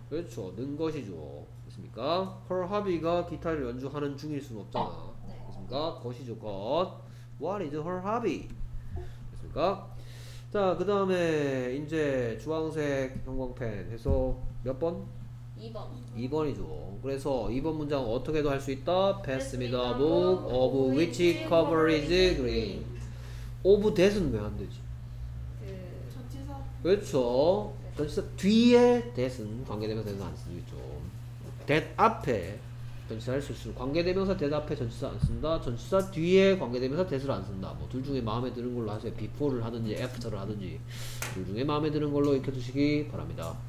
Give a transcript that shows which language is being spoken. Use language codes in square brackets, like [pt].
[ko] 그렇죠. 는 것이죠. 됐습니까? [en] Her hobby [ko] 가 기타를 연주하는 중일 수는 없잖아. 됐습니까? 것이죠. God. [en] What is her hobby? [ko] 됐습니까? 자, 그 다음에 이제 주황색 형광펜 해서 몇 번? 2번. 2번이죠. 그래서 2번 문장 어떻게도 할 수 있다? [en] Pass me the book of which cover is green. Of that [ko] 은 왜 안 되지? 전치사. 그렇죠. 전치사 뒤에 that은 관계대명사에서 안 쓸 수 있죠. that 앞에 전치사를 쓸 수 있는 관계대명사 that 앞에 전치사 안 쓴다. 전치사 뒤에 관계대명사 that을 안 쓴다. 뭐 둘 중에 마음에 드는 걸로 하세요. before를 하든지 after를 하든지 둘 중에 마음에 드는 걸로 익혀두시기 바랍니다.